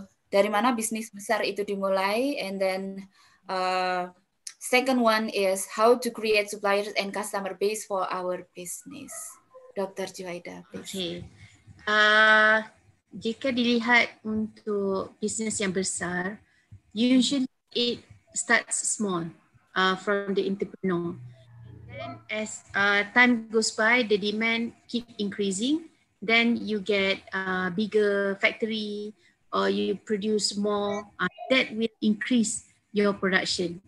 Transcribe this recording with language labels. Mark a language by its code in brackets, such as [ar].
[id] Dari mana bisnis besar itu dimulai? [en] And then second one is how to create suppliers and customer base for our business. Dr. Juwaida, please. Okay. [id] Jika dilihat untuk bisnis yang besar, [en] usually it starts small. From the entrepreneur. Then as time goes by, the demand keep increasing, then you get a bigger factory or you produce more, that will increase your production.